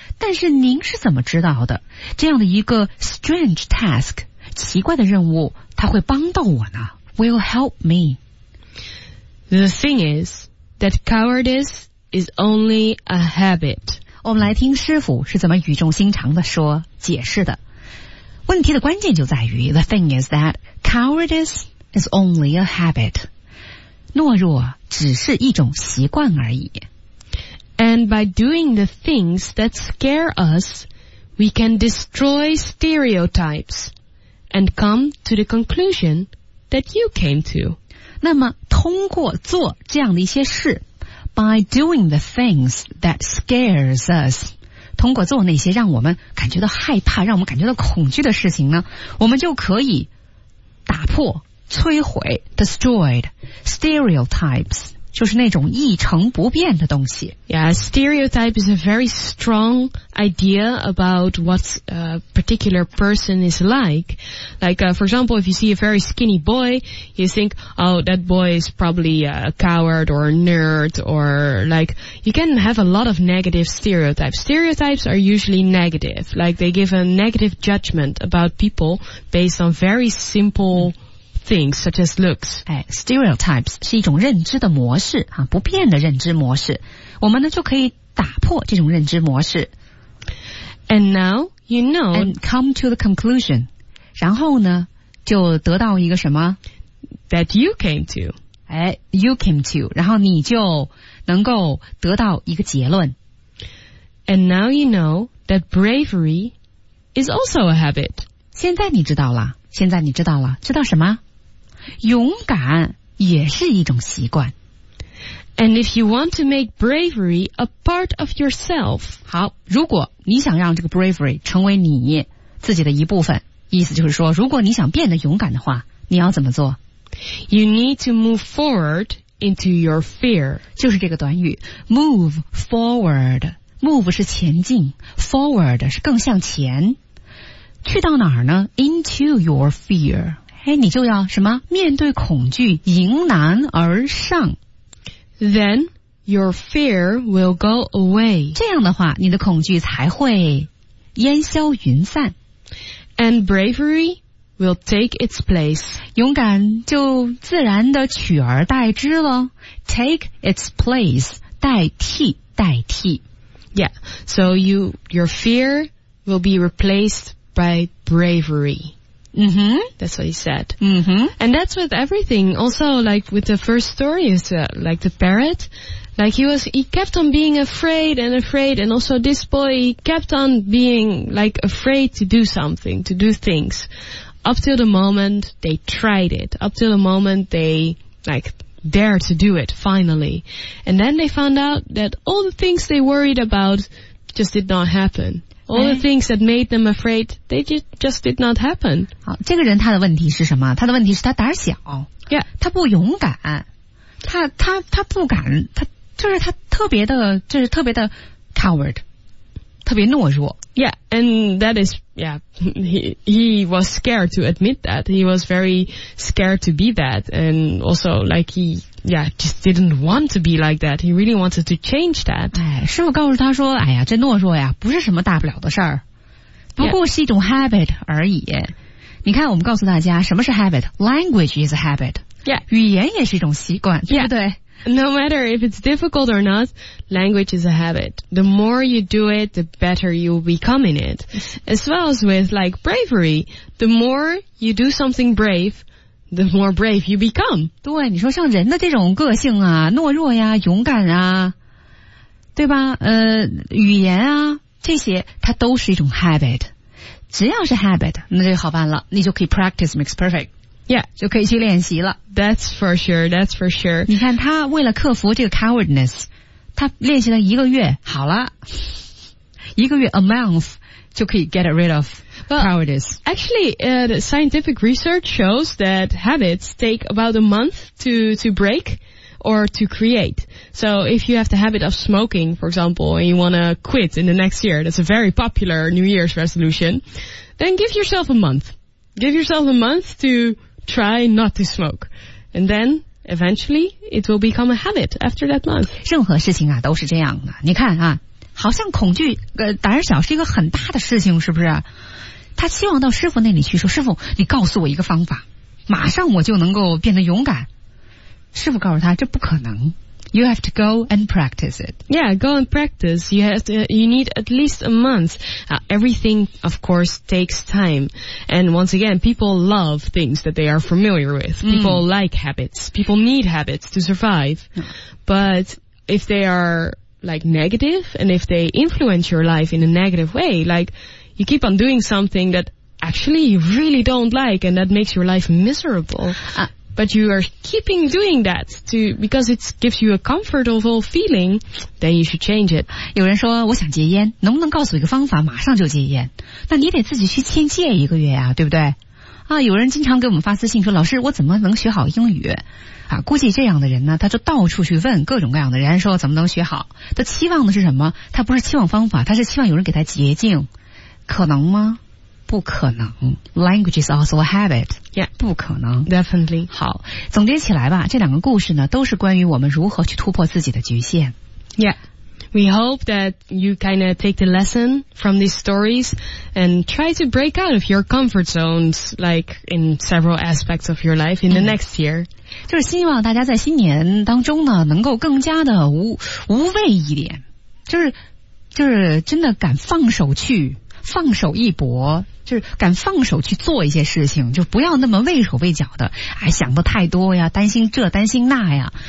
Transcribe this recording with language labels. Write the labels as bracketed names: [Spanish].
[Chinese] 但是您是怎么知道的？这样的一个 [English] strange task, [Chinese] 奇怪的任务，它会帮到我呢？ [English] Will help me. The thing is that cowardice is only a habit. [Chinese] 我们来听师傅是怎么语重心长地说解释的。问题的关键就在于 [English] The thing is that cowardice is only a habit. [Chinese] 懦弱只是一种习惯而已。 [English] And by doing the things that scare us, we can destroy stereotypes and come to the conclusion that you came to. [Chinese] 那么通过做这样的一些事， [English] By doing the things that scares us, [Chinese] 通过做那些让我们感觉到害怕，让我们感觉到恐惧的事情呢，我们就可以打破，摧毁 [English] destroyed stereotypes, [Chinese] 就是那种一成不变的东西。 [English] Yeah, stereotype is a very strong idea about what a particular person is like. Like, for example, if you see a very skinny boy, you think, oh, that boy is probably a coward or a nerd, or like, you can have a lot of negative stereotypes. Stereotypes are usually negative. Like, they give a negative judgment about people based on very simple things such as looks. [Chinese] Stereotypes 是一种认知的模式，不变的认知模式。我们呢就可以打破这种认知模式。 [English] And now you know. And come to the conclusion. [Chinese] 然后呢就得到一个什么 [English] ?That you came to. You came to. [Chinese] 然后你就能够得到一个结论。 [English] And now you know that bravery is also a habit. [Chinese] 现在你知道了，现在你知道了，知道什么？勇敢也是一种习惯。 [English] And if you want to make bravery a part of yourself, [Chinese] 好，如果你想让这个 bravery 成为你自己的一部分，意思就是说，如果你想变得勇敢的话，你要怎么做？ [English] You need to move forward into your fear. [Chinese] 就是这个短语 [English] move forward. [Chinese] Move 是前进， forward 是更向前。去到哪儿呢？ [English] Into your fear. [Chinese] 你就要什么？面对恐惧，迎难而上。 [English] Then your fear will go away. [Chinese] 这样的话，你的恐惧才会烟消云散。 [English] And bravery will take its place. [Chinese] 勇敢就自然的取而代之了。 [English] Take its place, [Chinese] 代替，代替。 [English] Yeah, so your fear will be replaced by bravery. Mm-hmm. That's what he said. Mm-hmm. And that's with everything. Also, like with the first story, is like the parrot. Like he kept on being afraid and afraid. And also this boy, he kept on being like afraid to do something, to do things. Up till the moment they tried it. Up till the moment they like dared to do it, finally. And then they found out that all the things they worried about just did not happen. All the things that made them afraid, they just did not happen. [Chinese] 好，这个人他的问题是什么？他的问题是他胆小。 [English] Yeah. [Chinese] 他不勇敢，他不敢，他就是他特别的，就是特别的 coward， 特别懦弱。 [English] Yeah, and that is, yeah, he was scared to admit that. He was very scared to be that. And also, like, he, yeah, just didn't want to be like that. He really wanted to change that. [Chinese] 哎，师父告诉他说，哎呀，这懦弱呀，不是什么大不了的事儿，不过是一种 habit 而已。 [English] Yeah. [Chinese] 你看，我们告诉大家，什么是 habit? [English] Language is a habit. Yeah. [Chinese] 语言也是一种习惯，对不对？ [English] Yeah. No matter if it's difficult or not, language is a habit. The more you do it, the better you'll become in it. As well as with, like, bravery. The more you do something brave, the more brave you become. [Chinese] 对，你说像人的这种个性啊，懦弱呀，勇敢啊，对吧？语言啊，这些它都是一种 habit。只要是 habit, 那就好办了，你就可以 [English] practice makes perfect。 Yeah, [Chinese] 就可以去练习了。 [English] That's for sure, that's for sure. [Chinese] 你看他为了克服这个 cowardness, 他练习了一个月好了。一个月 [English] a month [Chinese] 就可以 [English] get rid of cowardice. Well, actually, the scientific research shows that habits take about a month to break or to create. So if you have the habit of smoking, for example, and you want to quit in the next year, that's a very popular New Year's resolution, then give yourself a month. Give yourself a month to... Try not to smoke. And then, eventually, it will become a habit after that month. [Chinese] 任何事情啊都是这样的。你看啊，好像恐惧胆小是一个很大的事情，是不是？他希望到师父那里去说，师父，你告诉我一个方法，马上我就能够变得勇敢。师父告诉他，这不可能。 [English] You have to go and practice it. Yeah, go and practice. You need at least a month. Everything, of course, takes time. And once again, people love things that they are familiar with. People like habits. People need habits to survive. But if they are, like, negative, and if they influence your life in a negative way, like, you keep on doing something that actually you really don't like, and that makes your life miserable. But you are keeping doing that to, because it gives you a comfortable feeling, then you should change it. [Chinese] 有人说我想戒烟，能不能告诉我一个方法马上就戒烟？那你得自己去先戒一个月啊，对不对？啊，有人经常给我们发私信说，老师，我怎么能学好英语？啊，估计这样的人呢，他就到处去问各种各样的人说怎么能学好。他期望的是什么？他不是期望方法，他是期望有人给他捷径。可能吗？不可能。 [English] Language is also a habit. Yeah, [Chinese] 不可能。 [English] Definitely. [Chinese] 好，总结起来吧，这两个故事呢都是关于我们如何去突破自己的局限。 [English] Yeah, we hope that you kind of take the lesson from these stories and try to break out of your comfort zones, like in several aspects of your life in the next year. [Chinese] 就是希望大家在新年当中呢能够更加的无畏一点，就是真的敢放手去放手一搏，就是敢放手去做一些事情，就不要那么畏手畏脚的，哎，想的太多呀，担心这担心那呀。